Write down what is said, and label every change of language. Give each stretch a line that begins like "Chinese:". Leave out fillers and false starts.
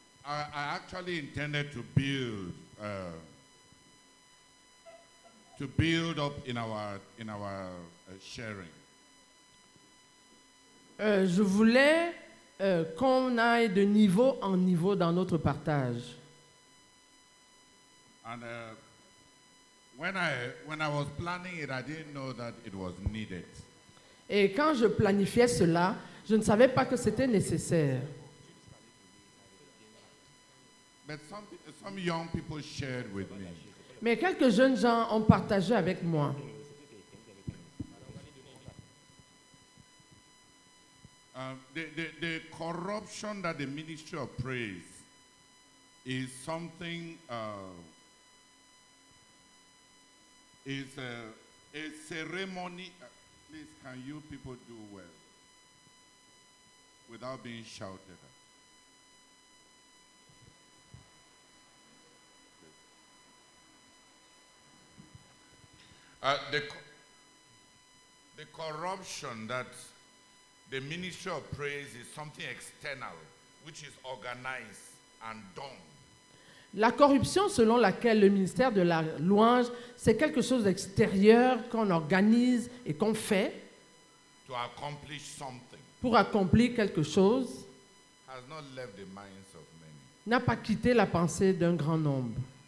English: I actually intended to build up in our sharing.
French: Je voulais qu'on aille de niveau en niveau dans notre partage.
English: And when I was planning it, I didn't know that it was needed.
French: Et quand je planifiais cela, je ne savais pas que c'était nécessaire.
English: But some young people shared with me.
French: Mais quelques jeunes gens ont partagé avec moi.
English: The corruption that the ministry of praise is something is a ceremony. Please, can you people do well without being shouted at? The corruption that the ministry of praise is something external, which is organized and done.
French: La corruption selon laquelle le ministère de la louange, c'est quelque chose d'extérieur qu'on organise et qu'on fait
English: to accomplish something,
French: pour accomplir quelque chose,
English: has not left the minds of many.
French: N'a pas quitté la pensée d'un grand nombre.